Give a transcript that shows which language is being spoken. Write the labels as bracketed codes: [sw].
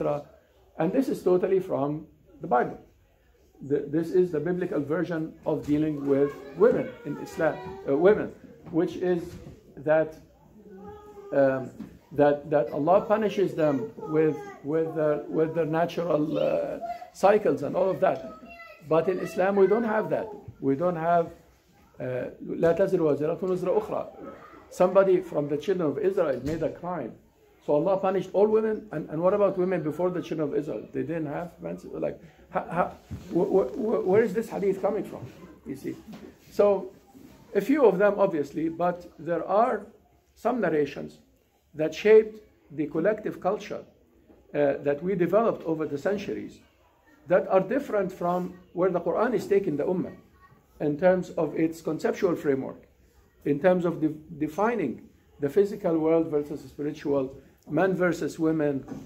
[en] And this is totally from the Bible. This is the biblical version of dealing with women in Islam, women, which is that that Allah punishes them with their natural cycles and all of that. But in Islam, we don't have that. We don't have [ar] لا تزر وازرة وزر أخرى. [en] Somebody from the children of Israel made a crime, so Allah punished all women. And what about women before the children of Israel? They didn't have menses. Like, where is this hadith coming from? You see, so a few of them, obviously, but there are some narrations that shaped the collective culture that we developed over the centuries that are different from where the Quran is taking the Ummah in terms of its conceptual framework, in terms of defining the physical world versus the spiritual, men versus women.